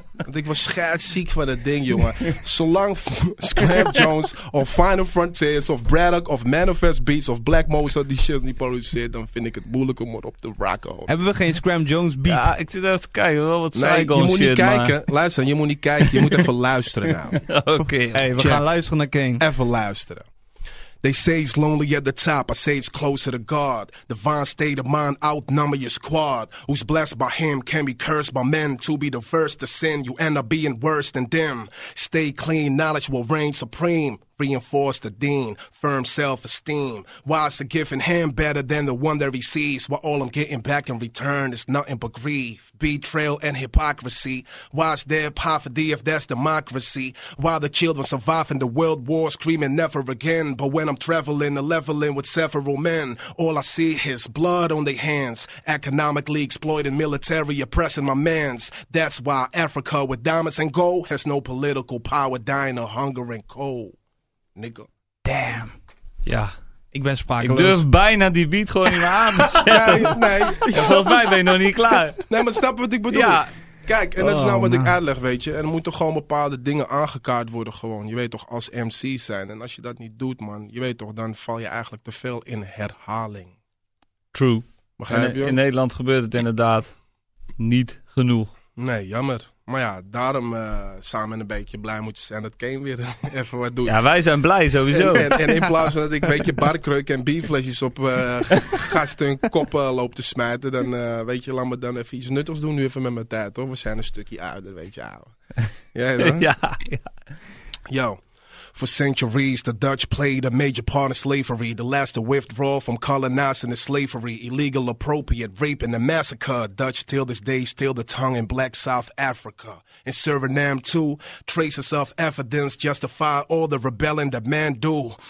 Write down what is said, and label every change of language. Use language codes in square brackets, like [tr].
[nl] Want ik was scheidsziek van dat ding, jongen. Zolang Scrap Jones of Final Frontiers of Braddock of Manifest Beats of Black Mozart die shit niet produceert, dan vind ik het moeilijk om erop te rocken. Hebben we geen Scrap Jones beat? Ja, ik zit even te kijken. Wel wat Saigon shit, je moet niet shit, kijken. Maar. Luister, je moet niet kijken. Je moet even luisteren nou. Oké. Okay, [en] hey, we check. [nl] Gaan luisteren naar King. Even luisteren. [en] They say it's lonely at the top, I say it's closer to God. Divine state of mind outnumber your squad. Who's blessed by him can be cursed by men. To be the first to sin, you end up being worse than them. Stay clean, knowledge will reign supreme. Reinforce the dean, firm self-esteem. Why is the gift in hand better than the one that receives? Why all I'm getting back in return is nothing but grief, betrayal, and hypocrisy? Why is there poverty if that's democracy? Why the children surviving the world war, screaming never again? But when I'm traveling and leveling with several men, all I see is blood on their hands, economically exploiting military, oppressing my mans. That's why Africa with diamonds and gold has no political power, dying of hunger and cold. Nico. Damn. [nl] Ja. Ik ben sprakeloos. Ik durf bijna die beat gewoon niet meer aan te zetten. Nee. Volgens mij ben je nog niet klaar. Nee, maar snap wat ik bedoel? Ja. Kijk, en dat is nou wat ik uitleg, weet je. En er moeten gewoon bepaalde dingen aangekaart worden gewoon. Je weet toch, als MC zijn. En als je dat niet doet, man. Je weet toch, dan val je eigenlijk te veel in herhaling. [en] True. [nl] Begrijp je? In Nederland gebeurt het inderdaad niet genoeg. Nee, jammer. Maar ja, daarom samen een beetje blij moeten zijn dat Kane weer even wat doet. Ja, wij zijn blij sowieso. En in plaats van dat ik weet je barkreuk en bierflesjes op gasten hun koppen loop te smijten, dan weet je, laat me dan even iets nuttigs doen nu even met mijn tijd, hoor. We zijn een stukje ouder, weet je, ouwe. Jij dan? Ja. [en] Yo. For centuries, the Dutch played a major part in slavery. The last to withdraw from colonizing the slavery. Illegal, appropriate, rape, and the massacre. Dutch till this day steal the tongue in black South Africa. In Suriname too, traces of evidence justify all the rebelling that man do.